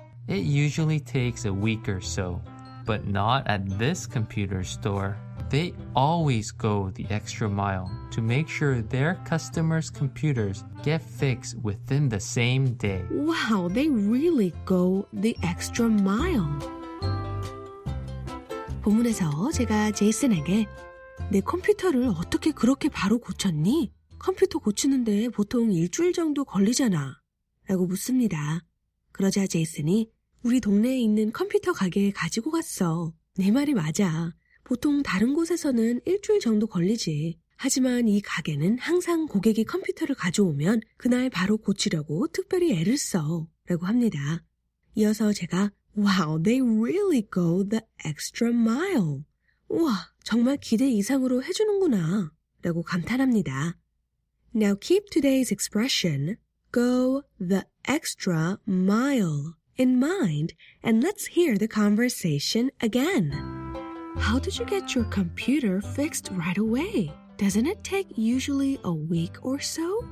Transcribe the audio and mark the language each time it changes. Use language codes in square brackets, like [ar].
[en] It usually takes a week or so, but not at this computer store. They always go the extra mile to make sure their customers' computers get fixed within the same day. Wow, they really go the extra mile. [ko] 본문에서 제가 제이슨에게 내 컴퓨터를 어떻게 그렇게 바로 고쳤니? 컴퓨터 고치는데 보통 일주일 정도 걸리잖아. 라고 묻습니다. 그러자 제이슨이 우리 동네에 있는 컴퓨터 가게에 가지고 갔어. 내 말이 맞아. 보통 다른 곳에서는 일주일 정도 걸리지. 하지만 이 가게는 항상 고객이 컴퓨터를 가져오면 그날 바로 고치려고 특별히 애를 써. 라고 합니다. 이어서 제가 [en] Wow, they really go the extra mile. [ko] 우와, 정말 기대 이상으로 해주는구나. 라고 감탄합니다. [en] Now keep today's expression, go the extra mile, in mind, and let's hear the conversation again. How did you get your computer fixed right away? Doesn't it take usually a week or so?